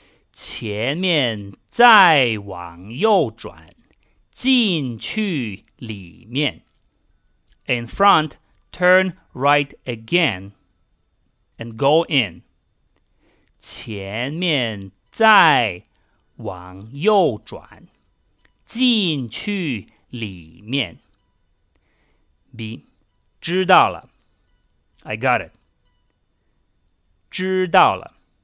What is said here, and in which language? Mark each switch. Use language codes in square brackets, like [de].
[zh] 前面再往右转，进去里面。 [en] In front, turn right again and go in. [zh] 前面再往右转，进去里面。 B. 知道了。 [en] I got it. [zh] 知道了。